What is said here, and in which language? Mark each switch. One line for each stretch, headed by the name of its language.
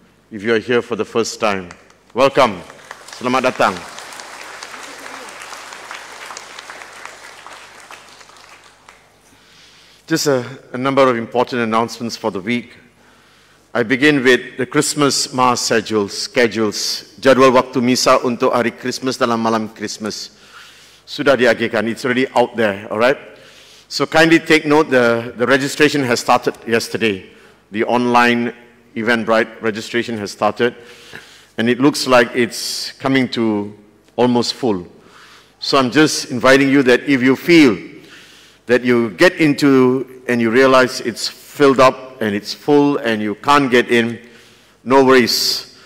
English: If you are here for the first time, welcome.
Malay: Selamat datang.
English: Just a number of important announcements for the week. I begin with the Christmas Mass schedules.
Malay: Jadwal waktu misa untuk hari Christmas dalam malam Christmas sudah diagihkan.
English: It's already out there, all right? So kindly take note, the registration has started yesterday. The online Eventbrite registration has started. And it looks like it's coming to almost full. So I'm just inviting you that if you feel that you get into and you realize it's filled up and it's full and you can't get in, no worries.